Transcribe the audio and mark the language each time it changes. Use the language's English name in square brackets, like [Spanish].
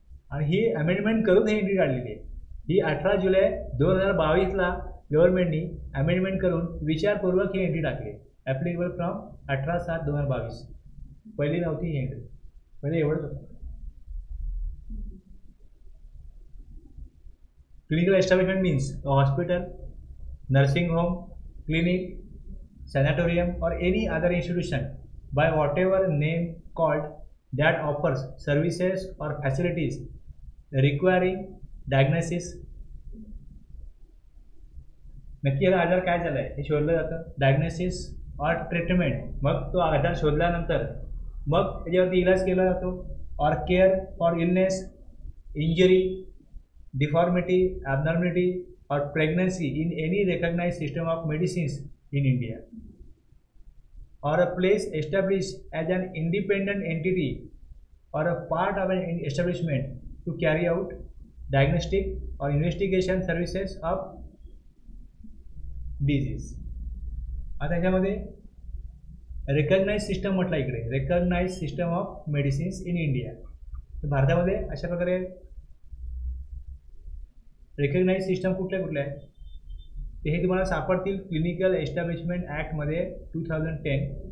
[Marathi] आणि ही अमेंडमेंट करून ही एंट्री काढलेली आहे. ही 18 जुलै 2022 गव्हर्नमेंटनी अमेंडमेंट करून विचारपूर्वक ही एंट्री टाकली. [English] Applicable from 18/7/2022. [Marathi] पहिली नव्हती ही एंट्री, पहिले एवढंच होतं. [English] Clinical establishment means hospital, nursing home, clinic, sanatorium or any other institution by whatever name called that offers services or facilities requiring diagnosis. [Marathi] नक्की याचा आजार काय झाला आहे हे शोधलं जातं. डायग्नोसिस और ट्रीटमेंट, मग तो आजार शोधल्यानंतर मग त्याच्यावरती इलाज केला जातो. [English] Or care for illness, injury, deformity, abnormality or pregnancy in any recognise system of medicines in India. Or a place establish as an independent entity or a part of an establishment to carry out diagnostic or investigation services of disease. [Marathi] आता ह्याच्यामध्ये recognise system म्हटलं इकडे, [English] Recognise system of medicines in India. [Marathi] भारतामध्ये अशा प्रकारे रेकग्नाइज सिस्टम कुठल्या कुठल्या आहेत ते हे तुम्हाला सापडतील क्लिनिकल एस्टॅब्लिशमेंट ॲक्टमध्ये 2010.